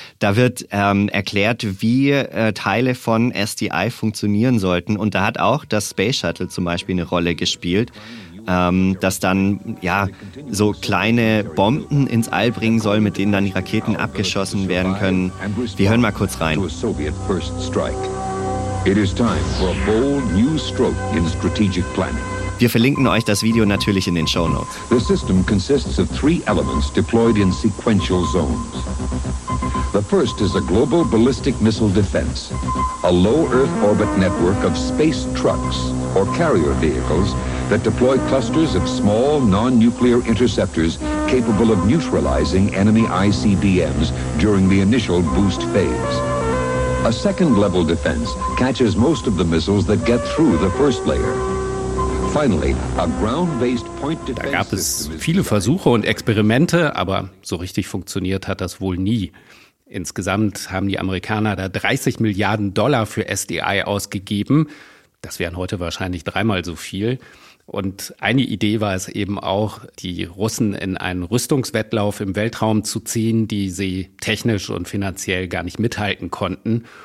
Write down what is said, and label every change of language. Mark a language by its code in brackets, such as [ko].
[de] Da wird erklärt, wie Teile von SDI funktionieren sollten. Und da hat auch das Space Shuttle zum Beispiel eine Rolle gespielt. Dass dann ja so kleine Bomben ins All bringen soll, mit denen dann die Raketen abgeschossen werden können. Wir hören mal kurz rein. [en] It is time for a bold new stroke in strategic planning. [de] Wir verlinken euch das Video natürlich in den Shownotes. [en] The system consists of three elements deployed in sequential zones. The first is a global ballistic missile defense, a low Earth orbit network of space trucks or carrier vehicles that deploy clusters of small non-nuclear interceptors capable of neutralizing enemy ICBMs during the initial boost phase. A second level defense catches most of the missiles that get through the first layer. Finally, a ground-based point defense. [de] Da gab es viele Versuche und Experimente, aber so richtig funktioniert hat das wohl nie. Insgesamt haben die Amerikaner da 30 Milliarden Dollar für SDI ausgegeben. Das wären heute wahrscheinlich dreimal so viel. Und eine Idee war es eben auch, die Russen in einen Rüstungswettlauf im Weltraum zu ziehen, die sie technisch und finanziell gar nicht mithalten konnten.